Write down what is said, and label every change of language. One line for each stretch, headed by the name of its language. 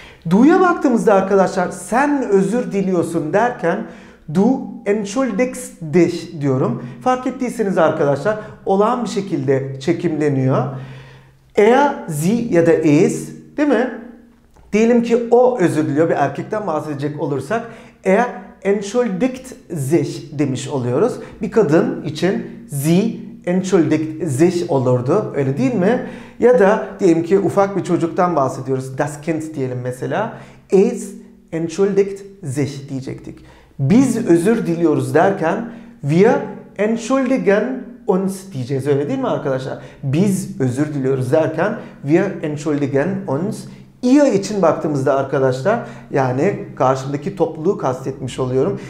Turkish: Du'ya baktığımızda arkadaşlar, sen özür diliyorsun derken
German: du entschuldigst dich
Turkish: diyorum. Fark ettiyseniz arkadaşlar, olağan bir şekilde çekimleniyor. Er, sie ya da es, değil mi? Diyelim ki o özür diliyor, bir erkekten bahsedecek olursak.
German: Er entschuldigt sich
Turkish: demiş oluyoruz. Bir kadın için
German: sie entschuldigt sich
Turkish: olurdu, öyle değil mi? Ya da diyelim ki ufak bir çocuktan bahsediyoruz. Das Kind diyelim mesela.
German: Es entschuldigt sich
Turkish: diyecektik. Biz özür diliyoruz derken
German: wir entschuldigen uns
Turkish: diyeceğiz, öyle değil mi arkadaşlar? Biz özür diliyoruz derken
German: wir entschuldigen uns.
Turkish: Ihr için baktığımızda arkadaşlar, yani karşımdaki topluluğu kastetmiş oluyorum.